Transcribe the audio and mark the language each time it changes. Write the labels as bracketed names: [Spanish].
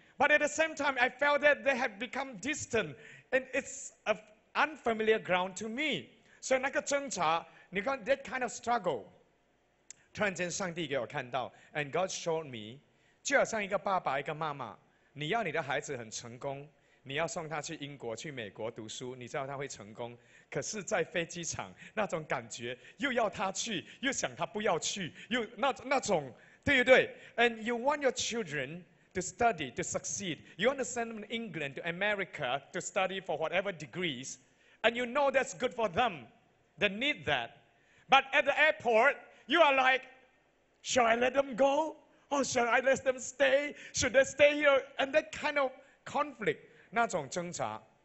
[English] But at the same time, I felt that they had become distant and it's an unfamiliar ground to me. [Chinese] 所以那个挣扎, 你看, [English] that kind of struggle. [Chinese] 突然间上帝给我看到, [English] and God showed me, [Chinese] 就好像一个爸爸一个妈妈, 你要你的孩子很成功, 你要送他去英国去美国读书, 你知道他会成功, 可是在飞机场, 那种感觉, 又要他去, 又想他不要去, 又, 那, 那种, 对不对? [English] And you want your children to study, to succeed. You want to send them to England, to America, to study for whatever degrees, and you know that's good for them. They need that. But at the airport, you are like, shall I let them go? Or shall I let them stay? Should they stay here? And that kind of conflict, [Chinese] 那种挣扎.